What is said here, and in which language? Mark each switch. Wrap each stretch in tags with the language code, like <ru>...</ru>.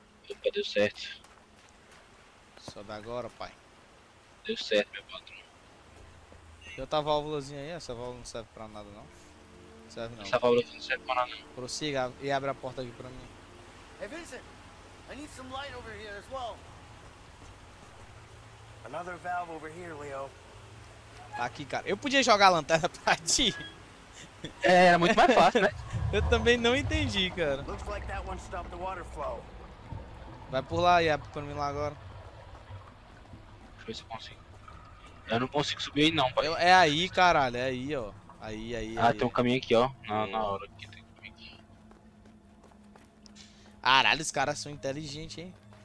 <pt>Opa, deu certo. Só dá agora, pai. Deu certo, meu patrão. E outra válvulazinha aí? Essa válvula não serve pra nada, não. Serve não. Essa válvula não serve pra nada. Prossiga e abre a porta aqui pra mim.</pt> <en>Hey Vincent, I need some light over here as well. Another valve over here, Leo.</en> <pt>Tá aqui, cara. Eu podia jogar a lanterna pra ti. É, era muito mais fácil, né? Eu também não entendi, cara.</pt> <en>Looks like that one stopped the water flow.</en> <pt>Vai por lá e abre pra mim lá agora. Deixa eu ver se eu consigo. Eu não consigo subir aí não, pai. É aí, caralho, é aí, ó. Aí, aí, ah, aí. Ah, tem um caminho aqui, ó. Na hora que tem um caminho aqui. Caralho, os caras são inteligentes, hein?</pt>